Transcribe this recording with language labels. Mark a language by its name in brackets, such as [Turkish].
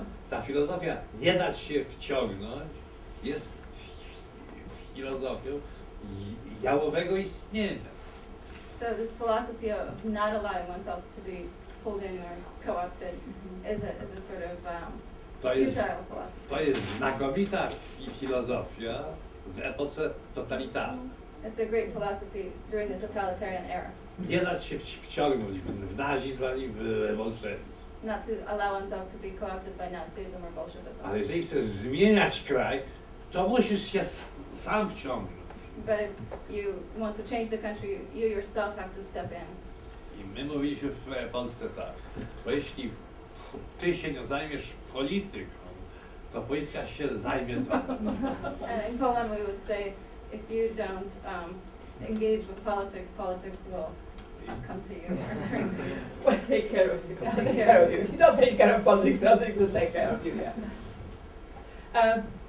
[Polish] Ta filozofia nie dać się wciągnąć jest filozofią jałowego istnienia. [English] So this philosophy of not allowing oneself to be pulled in or co-opted is a sort of [Polish] To jest znakomita filozofia w epoce totalitarnej. [English] It's a great philosophy during the totalitarian era. [Polish] Nie dać się wciągnąć w nazizm ani w bolszewizm. [English] Not to allow oneself to be co-opted by Nazism or Bolshevism. [Polish] Ale jeżeli chcesz zmieniać kraj, to musisz się sam wciągnąć. [English] But if you want to change the country, you yourself have to step in. [Polish] I my mówiliśmy w Polsce tak, bo jeśli ty się nie zajmiesz polityką, to polityka się zajmie [English] in Poland we would say, if you don't engage with politics, politics will come to you or turn to you. We'll take care of you. If you don't take care of politics, politics will take care of you, yeah.